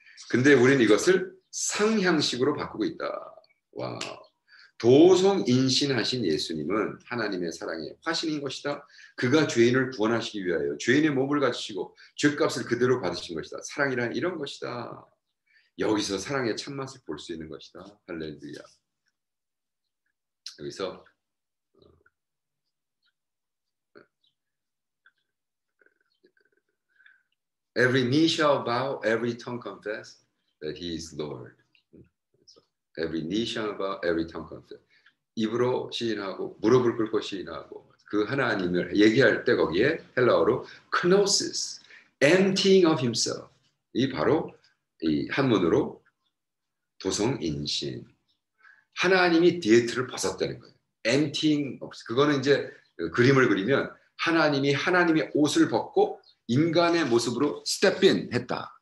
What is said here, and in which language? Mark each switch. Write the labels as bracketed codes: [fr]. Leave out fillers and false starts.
[ko] 근데 우리는 이것을 상향식으로 바꾸고 있다. 와우. 도성인신하신 예수님은 하나님의 사랑의 화신인 것이다. 그가 죄인을 구원하시기 위하여 죄인의 몸을 가지시고 죄값을 그대로 받으신 것이다. 사랑이란 이런 것이다. 여기서 사랑의 참맛을 볼 수 있는 것이다. 할렐루야. 여기서 [en] Every knee shall bow, every tongue confess that he is Lord. Every knee shall bow, every tongue confess. [ko] 입으로 시인하고 무릎을 꿇고 시인하고 그 하나님을 얘기할 때 거기에 헬라어로 kenosis, [en] emptying of himself. [ko] 이 바로 이 한문으로 도성인신. 하나님이 디에트를 벗었다는 거예요. [en] emptying of, [ko] 그거는 이제 그림을 그리면 하나님이 하나님의 옷을 벗고 인간의 모습으로 [en] step in [ko] 했다.